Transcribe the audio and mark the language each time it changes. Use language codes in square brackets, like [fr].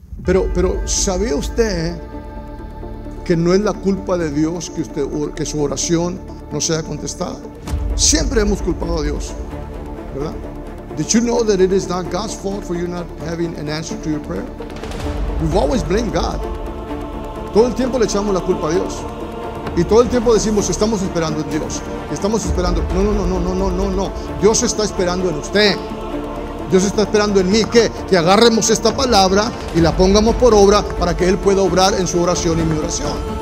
[es] Pero ¿sabía usted que no es la culpa de Dios que usted, que su oración no sea contestada? Siempre hemos culpado a Dios, ¿verdad? [en] Did you know that it is not God's fault for you not having an answer to your prayer? We've always blamed God. [es] Todo el tiempo le echamos la culpa a Dios. Y todo el tiempo decimos, estamos esperando en Dios. Estamos esperando. No. Dios está esperando en usted. Dios está esperando en mí. ¿Qué? Que agarremos esta palabra y la pongamos por obra para que Él pueda obrar en su oración y mi oración.